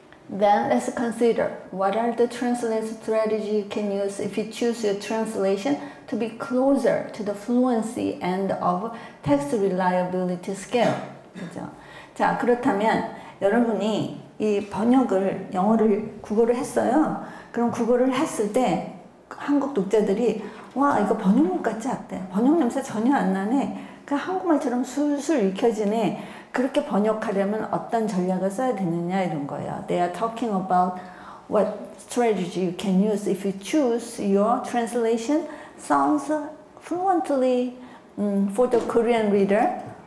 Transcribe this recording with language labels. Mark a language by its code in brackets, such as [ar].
[en] Then let's consider what are the translation strategies you can use if you choose your translation to be closer to the fluency end of text reliability scale. [ko] 그죠? 자, 그렇다면 여러분이 이 번역을 영어를 국어를 했어요. 그럼 국어를 했을 때 한국 독자들이 와, 이거 번역물 같지 않대. 번역 냄새 전혀 안 나네. 그 한국말처럼 술술 익혀지네. 그렇게 번역하려면 어떤 전략을 써야 되느냐 이런 거예요. [en] They are talking about what strategy you can use if you choose your translation sounds fluently for the Korean reader.